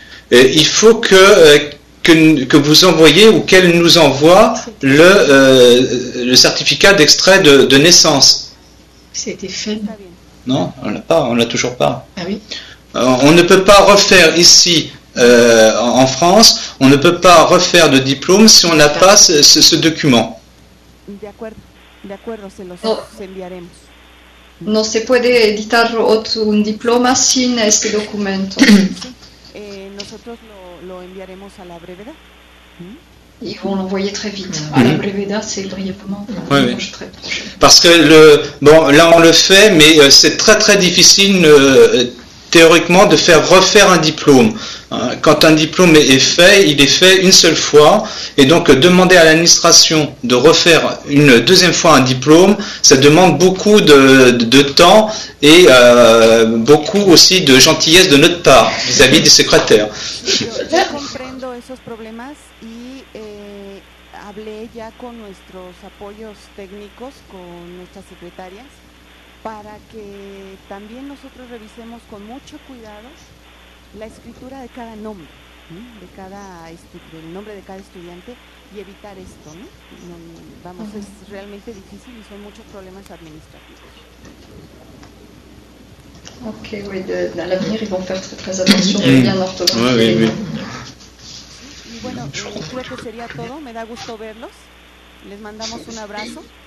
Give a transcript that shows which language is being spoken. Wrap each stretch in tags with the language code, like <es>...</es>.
<fr>Et il faut que vous envoyez ou qu'elle nous envoie le certificat d'extrait de naissance. C'était fait. Non, on l'a pas, on l'a toujours pas. Ah oui. On ne peut pas refaire ici en France, on ne peut pas refaire de diplôme si on n'a pas ce document.</fr> <es>D'accord, se los enviaremos. No se puede editar un diploma sin este documento. Nosotros lo enviaremos a la brevedad.</es> <fr>Ils vont l'envoyer très vite. À la brevedad, c'est brièvement. Oui, oui. Parce que là on le fait, mais c'est très très difficile. Théoriquement, de faire refaire un diplôme. Quand un diplôme est fait, il est fait une seule fois, et donc demander à l'administration de refaire une deuxième fois un diplôme, ça demande beaucoup de temps et beaucoup aussi de gentillesse de notre part vis-à-vis des secrétaires. Je comprends ces problèmes et j'ai parlé déjà avec nos appuis techniques, avec nos secrétaires.</fr> <es>Para que también nosotros revisemos con mucho cuidado la escritura de cada nombre, del nombre de cada estudiante, y evitar esto, ¿no? Vamos, es realmente difícil y son muchos problemas administrativos.</es> <fr>Ok, oui, à l'avenir, ils vont faire très très attention, bien l'orthographe.</fr> <es>Y bueno, creo que sería todo, me da gusto verlos, les mandamos un abrazo.</es>